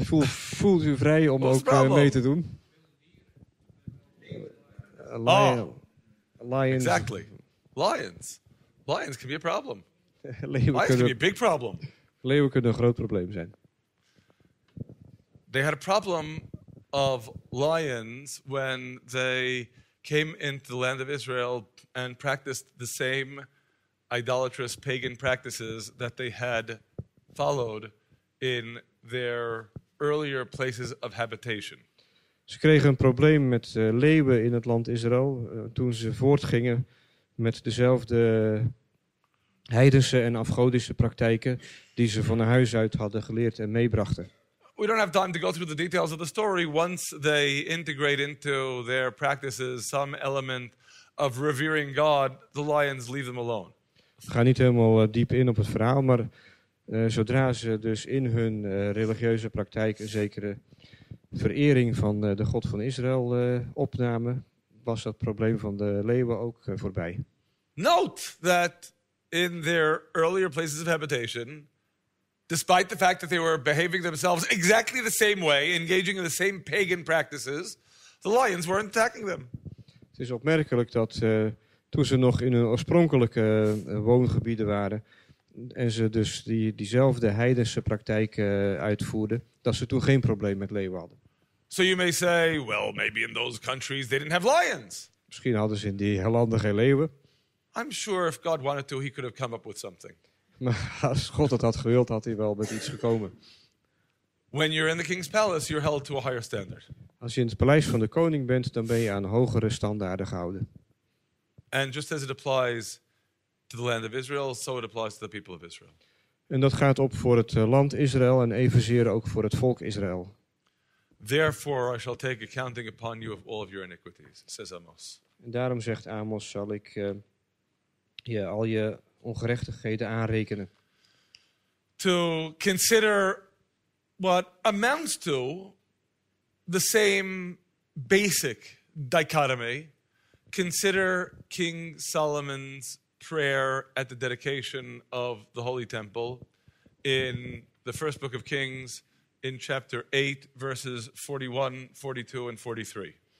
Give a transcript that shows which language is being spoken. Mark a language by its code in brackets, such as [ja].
[nl] Voelt u vrij om ook mee te doen? [en] Lions. Exactly. Lions. Lions can be a problem. Lions can be a big problem. [nl] Leeuwen kunnen een groot probleem zijn. [en] They had a problem of lions when they came into the land of Israel and practiced the same idolatrous pagan practices that they had followed in their earlier places of habitation. [nl] Ze kregen een probleem met leeuwen in het land Israël toen ze voortgingen met dezelfde heidense en afgodische praktijken die ze van huis uit hadden geleerd en meebrachten. [en] We don't have time to go through the details of the story. Once they integrate into their practices some element of revering God, the lions leave them alone. [nl] Ik ga niet helemaal diep in op het verhaal, maar zodra ze dus in hun religieuze praktijk een zekere verering van de God van Israël opnamen, was dat probleem van de leeuwen ook voorbij. [en] Note that in their earlier places of habitation, despite the fact that they were behaving themselves exactly the same way, engaging in the same pagan practices, the lions weren't attacking them. [nl] Het is opmerkelijk dat toen ze nog in hun oorspronkelijke woongebieden waren en ze dus diezelfde heidense praktijk uitvoerden, dat ze toen geen probleem met leeuwen hadden. [en] So you may say, well, maybe in those countries they didn't have lions. [nl] Misschien hadden ze in die landen geen leeuwen. [en] I'm sure if God wanted to, he could have come up with something. [nl] Maar als God het had gewild, had hij wel met iets gekomen. [en] When you're in the king's palace, you're held to a higher standard. [nl] Als je in het paleis van de koning bent, dan ben je aan hogere standaarden gehouden. [en] And just as it applies to the land of Israel, so it applies to the people of Israel. [nl] En dat gaat op voor het land Israël en evenzeer ook voor het volk Israël. [en] Therefore I shall take accounting upon you of all of your iniquities, says Amos. [nl] En daarom zegt Amos, zal ik je al je ongerechtigheden aanrekenen. [en] To consider what amounts to the same basic dichotomy, consider King Solomon's prayer at the dedication of the Holy Temple in the first book of Kings in chapter 8, verses 41, 42 and 43.